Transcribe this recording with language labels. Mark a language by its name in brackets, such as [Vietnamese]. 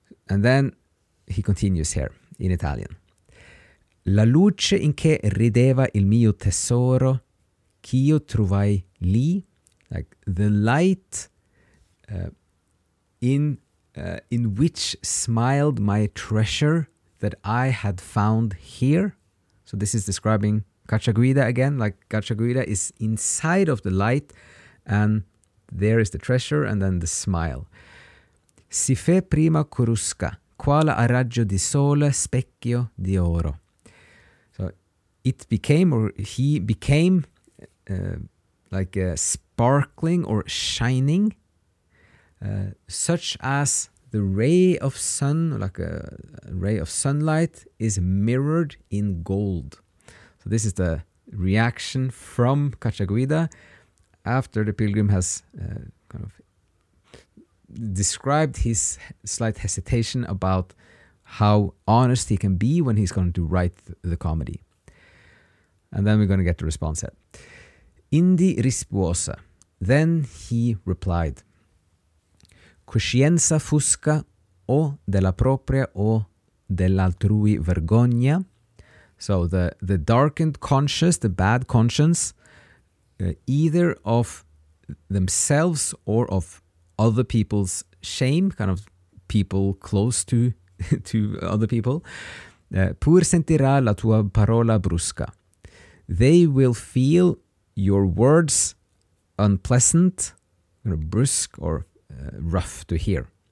[English] And then he continues here in Italian. [Italian] La luce in che rideva il mio tesoro, ch'io trovai lì, [English] like the light in which smiled my treasure that I had found here. So this is describing Cacciaguida again, like Cacciaguida is inside of the light and there is the treasure and then the smile. [Italian] Si fe prima corusca, quale a raggio di sole specchio di oro. [English] So it became, or he became like a sparkling or shining, such as the ray of sun, like a ray of sunlight, is mirrored in gold. So this is the reaction from Cacciaguida after the pilgrim has kind of described his slight hesitation about how honest he can be when he's going to write the comedy. And then we're going to get the response set. [Italian] Indi rispuosa. [English] Then he replied. [Italian] Coscienza fusca o della propria o dell'altrui vergogna. [English] So the darkened conscience, the bad conscience, either of themselves or of other people's shame, kind of people close to to other people. [Italian] Pur sentirà la tua parola brusca. [English] They will feel your words unpleasant, you know, brusque or rough to hear.